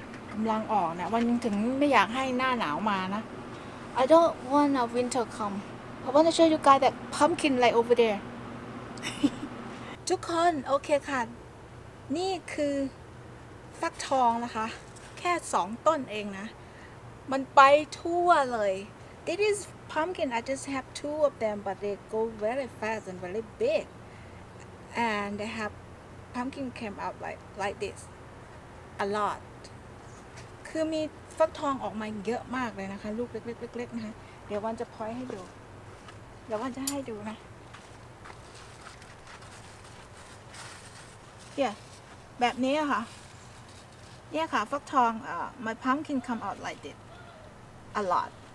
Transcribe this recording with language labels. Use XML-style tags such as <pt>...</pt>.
<th>กำลังออกนะวันถึงไม่อยากให้หน้าหนาวมานะ</th> <en>I don't want a winter come I want to show you guys that pumpkin like over there</en> <th>ทุกคนโอเคค่ะนี่คือฟักทองนะคะแค่2ต้นเองนะมันไปทั่วเลย</th> <en>This is pumpkin. I just have two of them, but they go very fast and very big. And they have pumpkin came out like this a lot.</en> <th>คือมีฟักทองออกมาเยอะมากเลยนะคะลูกเล็กๆๆนะคะเดี๋ยววันจะพอยให้ดูเดี๋ยววันจะให้ดูนะเนี่ยแบบนี้ค่ะเนี่ยค่ะฟักทอง</th> <en>my pumpkin come out like this a lot.</en>